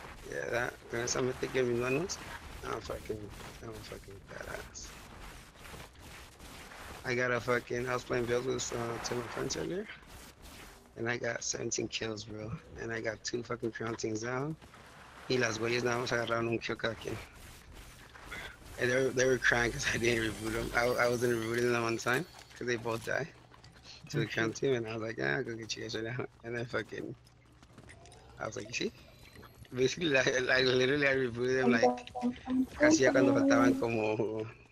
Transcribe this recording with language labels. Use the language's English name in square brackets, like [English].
[English] Yeah, that some mythic gave me one once. I'm fucking badass. I got a fucking, I was playing builds with two of my friends earlier. And I got 17 kills, bro. And I got two fucking crown teams down. [Spanish] Y las güeyes nada más agarraron un kill cada quien. [English] And they were crying because I didn't reboot them. I wasn't rebooting them on time because they both died to the crown team. And I was like, yeah, I'll go get you guys right now. And then fucking, I was like, you see? Basically, literally I rebooted them like, [Spanish] casi ya cuando faltaban como.